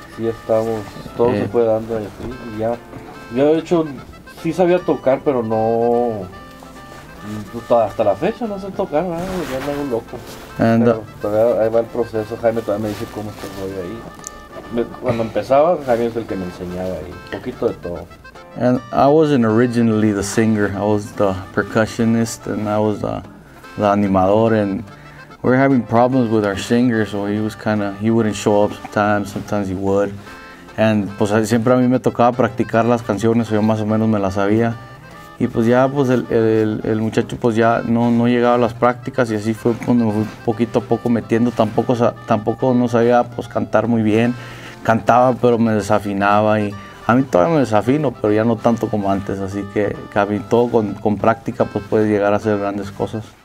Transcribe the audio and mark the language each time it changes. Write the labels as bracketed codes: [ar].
[es] Sí, ya estábamos, todo se fue dando y así, y ya. Yo de hecho sí sabía tocar, pero no, hasta la fecha no sé tocar, ¿no? Ya me hago loco. Todavía ahí va el proceso, Jaime todavía me dice cómo es que voy ahí. Cuando empezaba, Jaime es el que me enseñaba ahí, un poquito de todo. [en] And I wasn't originally the singer, I was the percussionist and I was the animador, and we were having problems with our singer, so he wouldn't show up sometimes he would. And [es] pues siempre a mí me tocaba practicar las canciones, yo más o menos me las sabía. Y pues ya pues el muchacho pues ya no llegaba a las prácticas y así fue cuando me fui poquito a poco metiendo, tampoco no sabía pues cantar muy bien, cantaba pero me desafinaba y a mí todavía me desafino, pero ya no tanto como antes, así que a mí todo con práctica pues puedes llegar a hacer grandes cosas.